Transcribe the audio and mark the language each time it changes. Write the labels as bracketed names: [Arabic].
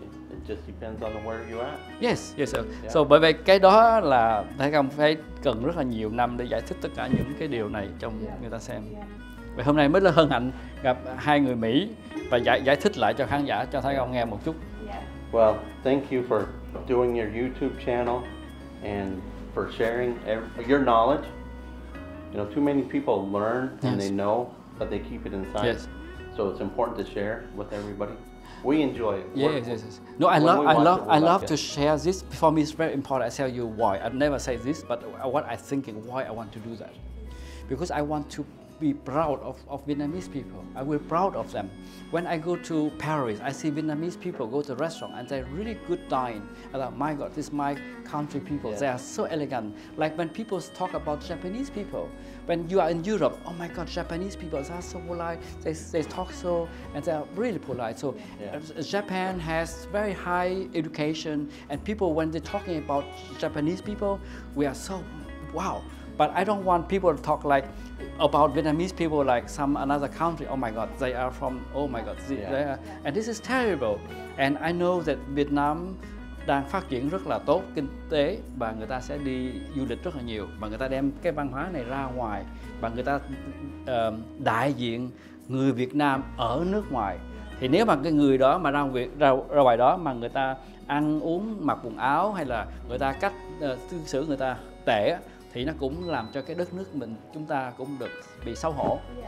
[English] It just depends on where you are. Yes, yes. Yeah. [Vietnamese] So bởi vậy cái đó là thấy không, phải cần rất là nhiều năm để giải thích tất cả những cái điều này cho người ta xem. Vậy hôm nay mới là hân hạnh gặp hai người Mỹ và giải thích lại cho khán giả cho thấy không nghe một chút. [English] Yeah. Well, thank you for doing your YouTube channel and for sharing your knowledge. You know, too many people learn and they know, but they keep it inside. Yes. So it's important to share with everybody. We enjoy it. Yes, yes, yes. No, I love to share this. For me, it's very important. I tell you why. I've never said this, but what I'm thinking, why I want to do that. Because I want to be proud of Vietnamese people. I will be proud of them. When I go to Paris, I see Vietnamese people go to a restaurant and they're really good dine. I thought, my God, this is my country people. Yeah. They are so elegant. Like when people talk about Japanese people, when you are in Europe, oh my God, Japanese people, they are so polite. They talk so, and they are really polite. So yeah. Japan has very high education, and people, when they're talking about Japanese people, we are so, wow. But I don't want people to talk like about Vietnamese people like some another country. Oh my God, they are from, oh my God, they are, and this is terrible. And I know that [Vietnamese] Vietnam đang phát triển rất là tốt kinh tế và người ta sẽ đi du lịch rất là nhiều và người ta đem cái văn hóa này ra ngoài và người ta đại diện người Việt Nam ở nước ngoài. Thì nếu mà cái người đó mà ra ngoài đó mà người ta ăn uống mặc quần áo hay là người ta cách cư xử người ta tệ, thì nó cũng làm cho cái đất nước mình chúng ta cũng được bị xấu hổ.